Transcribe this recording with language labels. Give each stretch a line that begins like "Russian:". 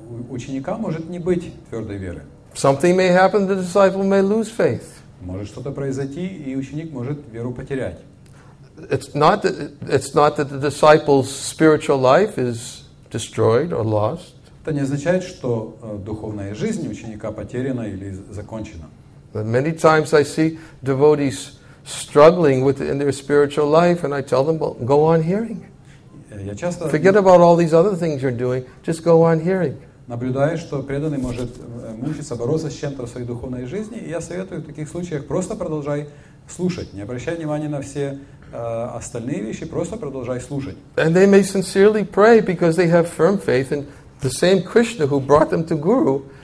Russian: Ученика может не быть твердой веры.
English: Something may happen, the disciple may lose faith.
Russian: Может что-то произойти, и ученик может веру потерять.
English: It's not that the disciple's spiritual life is destroyed or lost.
Russian: Это не означает, что духовная жизнь ученика потеряна или закончена.
English: But many times I see devotees struggling with in their spiritual life, and I tell them, well, go on hearing. Forget about all these other things you're doing, just go on hearing.
Russian: Наблюдая, что преданный может мучиться, бороться с чем-то в своей духовной жизни, я советую в таких случаях просто продолжай слушать. Не обращай внимания на все остальные вещи, просто продолжай слушать.
English: And they may sincerely pray because they have firm faith in the same Krishna who brought them to Guru.